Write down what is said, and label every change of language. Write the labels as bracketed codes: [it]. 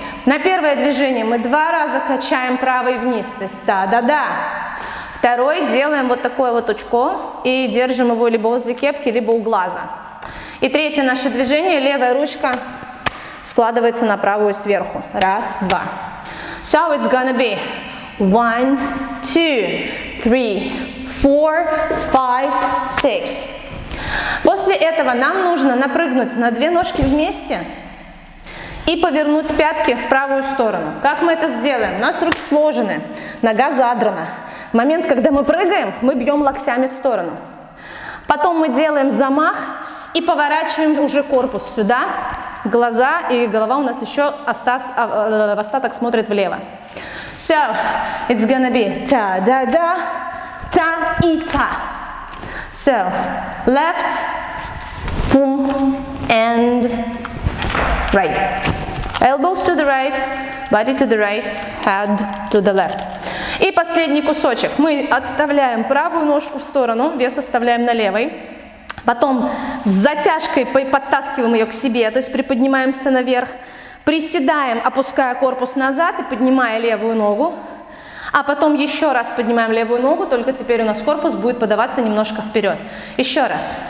[ru] На первое движение мы два раза качаем правый вниз, то есть да-да-да. Второй делаем вот такое вот очко и держим его либо возле кепки, либо у глаза. И третье наше движение, левая ручка складывается на правую сверху. Раз, два. [en] So, it's gonna be one, two, three, four, five, six. [ru] После этого нам нужно напрыгнуть на две ножки вместе и повернуть пятки в правую сторону. Как мы это сделаем? У нас руки сложены, нога задрана. В момент, когда мы прыгаем, мы бьем локтями в сторону. Потом мы делаем замах и поворачиваем уже корпус сюда. Глаза и голова у нас еще остаток смотрит влево. [en] So, it's gonna be та-да-да. Та и та. So, left, boom, and right. Elbows to the right, body to the right, head to the left. [ru] И последний кусочек. Мы отставляем правую ножку в сторону, вес оставляем на левой. Потом с затяжкой подтаскиваем ее к себе, то есть приподнимаемся наверх. Приседаем, опуская корпус назад и поднимая левую ногу. А потом еще раз поднимаем левую ногу, только теперь у нас корпус будет подаваться немножко вперед. Еще раз.